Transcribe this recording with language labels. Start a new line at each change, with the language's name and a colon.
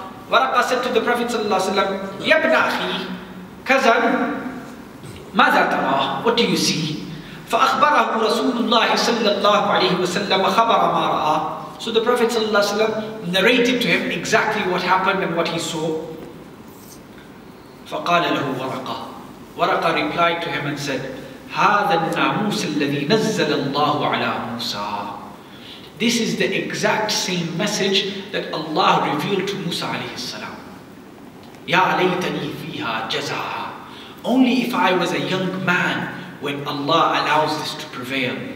English: Waraqa said to the Prophet sallallahu alayhi wa sallam, Ya ibn akhi, cousin,
Arabic: ماذا ترى?
English: What do you see?
Arabic: فَأَخْبَرَهُ رَسُولُ اللَّهِ صَلَّى اللَّهُ عَلَيْهِ وَسَلَّمْ خَبَرَ مَا رَأَى.
English: So the Prophet sallallahu alayhi wa sallam narrated to him exactly what happened and what he saw.
Arabic: فقال له ورقة. ورقة
English: replied to him and said,
Arabic: هذا الناموس الذي نزل الله على موسى.
English: This is the exact same message that Allah revealed to موسى عليه السلام.
Arabic: يا ليتني فيها جزعا.
English: Only if I was a young man when Allah allows this to prevail.